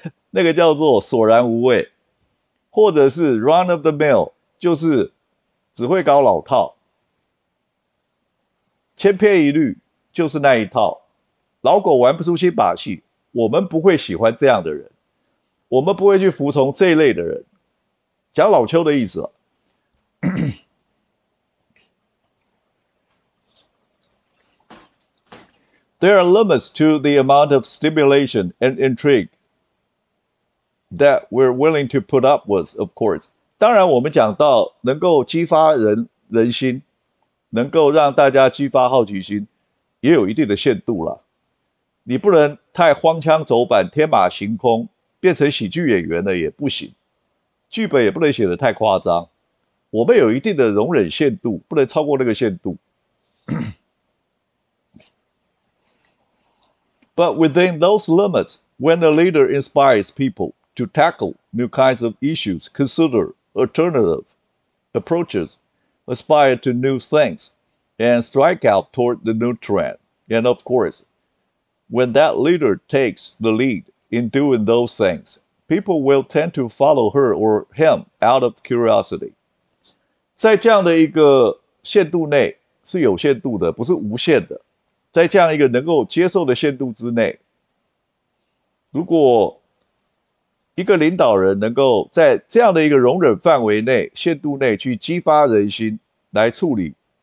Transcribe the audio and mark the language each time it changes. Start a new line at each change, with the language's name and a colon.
Chinese: 那个叫做索然无味，或者是
English: run of the mill，
Chinese: 就是只会搞老套。千篇一律就是那一套，老狗玩不出新把戏。我们不会喜欢这样的人，我们不会去服从这一类的人。讲老邱的意思了
English: There are limits to the amount of stimulation and intrigue that we're willing to put up with, of course。
Chinese: 当然，我们讲到能够激发人心。能够让大家激发好奇心，也有一定的限度了。你不能太荒腔走板、天马行空，变成喜剧演员了也不行。剧本也不能写得太夸张，我们有一定的容忍限度，不能超过那个限度。
English: But within those limits, when a leader inspires people to tackle new kinds of issues, consider alternative approaches, aspire to new things, and strike out toward the new trend. And of course, when that leader takes the lead in doing those things, people will tend to follow her or him out of curiosity.
Chinese: 在这样的一个限度内，是有限度的，不是无限的。在这样一个能够接受的限度之内，如果一个领导人能够在这样的一个容忍范围内、限度内去激发人心，来处理。